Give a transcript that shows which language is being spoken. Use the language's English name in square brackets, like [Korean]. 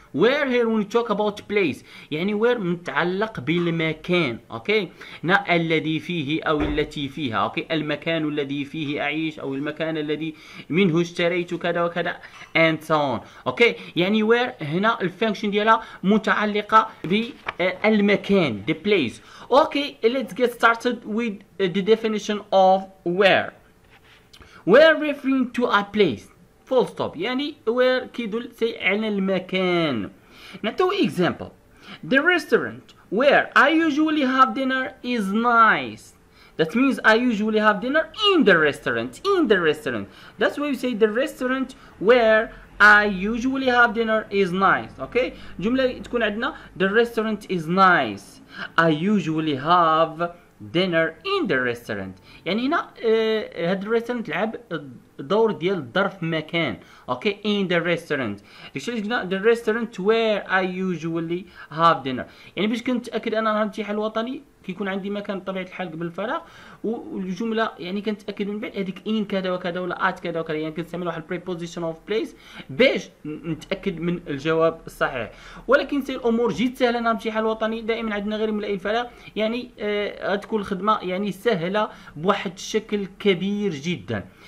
[English] Here we talk about place، [Arabic] يعني [English] where [Arabic] متعلق بالمكان. اوكي، نا الذي فيه او التي فيها. اوكي، المكان الذي فيه اعيش او المكان الذي منه اشتريت كذا وكذا [English] and so on. [Arabic] اوكي، يعني where هنا الفانكشن ديالها متعلقة بالمكان، [English] the place. Okay, let's get started with the definition of where. Where referring to a place. Full stop. [Arabic] يعني where كيدل سي عن المكان. نعطيو example. [English] The restaurant where I usually have dinner is nice. That means I usually have dinner in the restaurant. In the restaurant. That's why we say the restaurant where I usually have dinner is nice. Okay. [Arabic] جملة تكون عندنا [English] the restaurant is nice. I usually have dinner in the restaurant. [Arabic] يعني هنا هاد الريستورانت لعب دور ديال ظرف مكان. [English] Okay, in the restaurant. [Arabic] ديكشي قلنا [English] the restaurant where I usually have dinner. [Arabic] يعني باش كنتاكد انا راه امتحان الوطني كيكون عندي مكان بطبيعه الحال قبل الفراغ، والجمله يعني كنتاكد من بعد هذيك in كذا وكذا ولا at كذا وكذا، يعني كنستعمل واحد preposition of place باش نتاكد من الجواب الصحيح. ولكن سي الامور جد سهله، انا امتحان الوطني دائما عندنا غير ملئ الفراغ، يعني غتكون الخدمه يعني سهله بواحد الشكل كبير جدا.